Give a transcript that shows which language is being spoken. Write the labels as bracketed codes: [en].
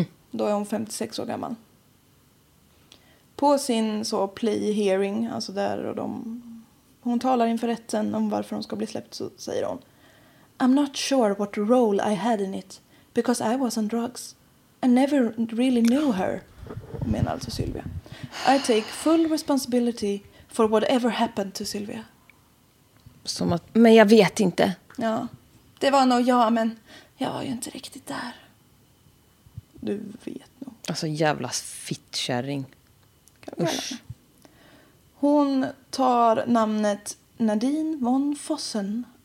[sv] Då är hon 56 år gammal. På sin så plea hearing, alltså där och de, hon talar inför rätten om varför hon ska bli släppt, så säger hon: [en] I'm not sure what role I had in it because I was on drugs. I never really knew her. [sv] Menar alltså Sylvia. [en] I take full responsibility for whatever happened to Sylvia. [sv] Som att, men jag vet inte. Ja, det var nog jag, men jag var ju inte riktigt där. Du vet nog. Alltså jävla fittkärring. Hon tar namnet Nadine von Fossen.